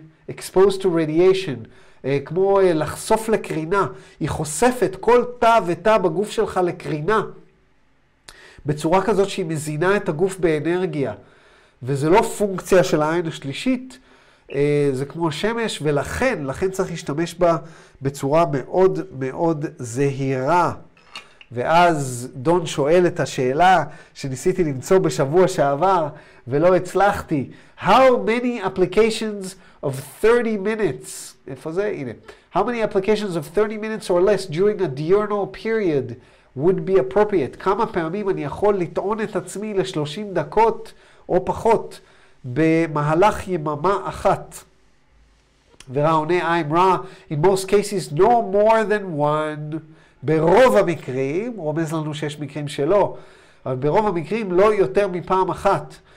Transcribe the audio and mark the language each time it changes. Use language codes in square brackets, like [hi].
[en] Exposed to radiation, [he] כמו לחשוף לקרינה, היא חושפת כל תא ותא בגוף שלך לקרינה, בצורה כזאת שהיא מזינה את הגוף באנרגיה, וזה לא פונקציה של העין השלישית, זה כמו השמש, ולכן צריך להשתמש בה בצורה מאוד מאוד זהירה. ואז דון שואל את השאלה שניסיתי למצוא בשבוע שעבר ולא הצלחתי. [en] How many applications of 30 minutes? [he] איפה זה? הנה. [en] How many applications of 30 minutes or less during a diurnal period would be appropriate? [he] כמה פעמים אני יכול לטעון את עצמי ל-30 דקות או פחות במהלך יממה אחת? ורא עונה, [en] I'm Ra, in most cases no more than one. [he] ברוב המקרים, הוא רומז לנו שיש מקרים שלא, אבל ברוב המקרים לא יותר מפעם אחת.